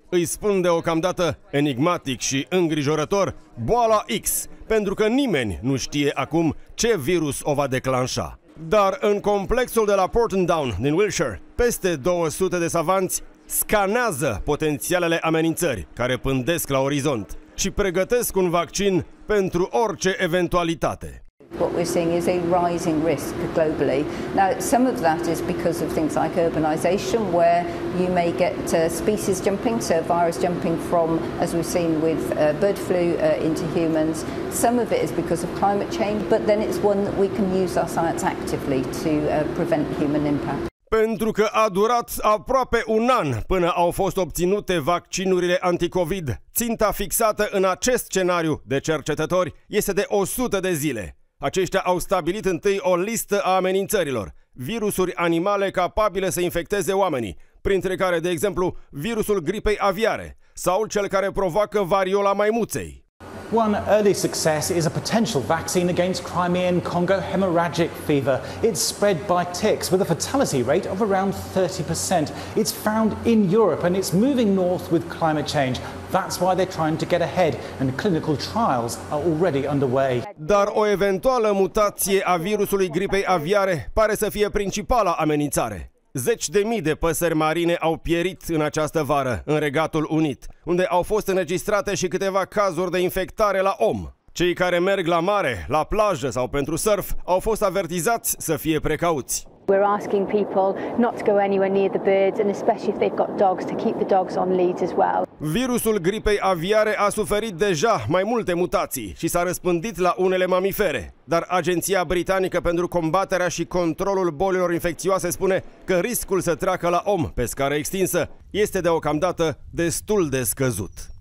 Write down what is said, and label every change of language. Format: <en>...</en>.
<ro>Îi spun deocamdată, enigmatic și îngrijorător, boala X, pentru că nimeni nu știe acum ce virus o va declanșa. Dar în complexul de la Porton Down din Wiltshire, peste 200 de savanți scanează potențialele amenințări care pândesc la orizont și pregătesc un vaccin pentru orice eventualitate.</ro> <en>What we're seeing is a rising risk globally. Now, some of that is because of things like urbanization, where you may get species jumping, so virus jumping from, as we've seen with bird flu, into humans. Some of it is because of climate change, but then it's one that we can use our science actively to prevent human impact.</en> <ro>Pentru că a durat aproape un an până au fost obținute vaccinurile anticovid, ținta fixată în acest scenariu de cercetători este de 100 de zile. Aceștia au stabilit întâi o listă a amenințărilor, virusuri animale capabile să infecteze oamenii, printre care, de exemplu, virusul gripei aviare sau cel care provoacă variola maimuței.</ro> <en>One early success is a potential vaccine against Crimean-Congo hemorrhagic fever. It's spread by ticks with a fatality rate of around 30%. It's found in Europe and it's moving north with climate change. That's why they're trying to get ahead and clinical trials are already underway.</en> <ro>Dar o eventuală mutație a virusului gripei aviare pare să fie principala amenințare. Zeci de mii de păsări marine au pierit în această vară în Regatul Unit, unde au fost înregistrate și câteva cazuri de infectare la om. Cei care merg la mare, la plajă sau pentru surf au fost avertizați să fie precauți.</ro> <en>We're asking people not to go anywhere near the birds and especially if they've got dogs to keep the dogs on leads as well.</en> <ro>Virusul gripei aviare a suferit deja mai multe mutații și s-a răspândit la unele mamifere, dar Agenția Britanică pentru Combaterea și Controlul Bolilor Infecțioase spune că riscul să treacă la om pe scară extinsă este deocamdată destul de scăzut.</ro>